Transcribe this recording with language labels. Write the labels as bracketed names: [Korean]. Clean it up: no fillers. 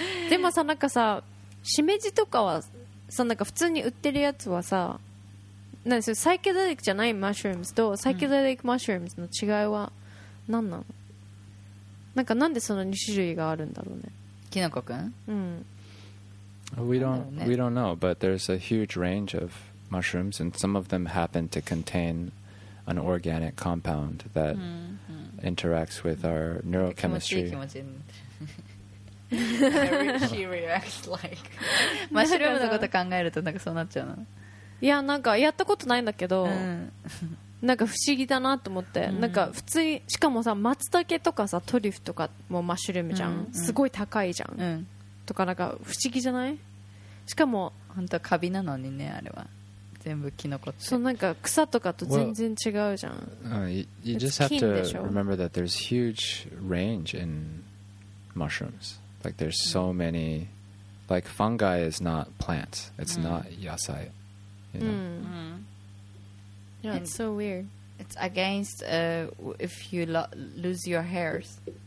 [Japanese] でもさ、なんかさ、シメジとかはさ、なんか普通に売ってるやつはさ、なんですよ、サイケデリックじゃないマッシュルームズとサイケデリックマッシュルームズの違いは何なの、うん、なんかなんでその2種類があるんだろうね、キノコくん。うん、 [English] We don't know, but there's a huge range of mushrooms, and some of them happen to contain an organic compound that interacts with our neurochemistry. She reacts like mushroom [Japanese] のこと考えるとなんかそうなっちゃうの。いや、なんかやったことないんだけど、なんか不思議だなと思って、なんか普通に、しかもさ、松茸とかさ、トリュフとかもマッシュルームじゃん、すごい高いじゃん。とかなんか不思議じゃない？しかも本当カビなのにね、あれは全部キノコって。そう、なんか草とかと全然違うじゃん。 [English] Well, you just have to remember that there's huge range in mushrooms. Like there's so many. Like fungi is not plants. It's not 野菜.You know? Yeah, it's so weird. It's against if you lose your hairs.